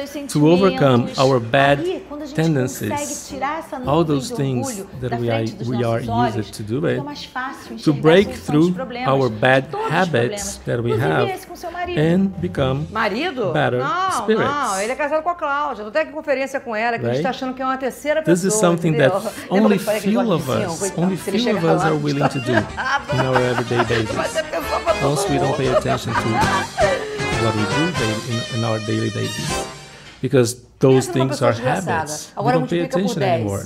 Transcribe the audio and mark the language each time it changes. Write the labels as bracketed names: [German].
[English] To overcome our bad tendencies, all those things that we are used to do it, to break through our bad habits that we have and become better spirits. [Portuguese] Ele é casado com a Cláudia. Tô até aqui em conferência com ela, que a gente tá achando que é uma terceira pessoa. [English] This is something that only few of us are willing to do in our everyday basis. Once we don't pay attention to what we do in our daily basis. Because those things are habits. We don't pay attention anymore.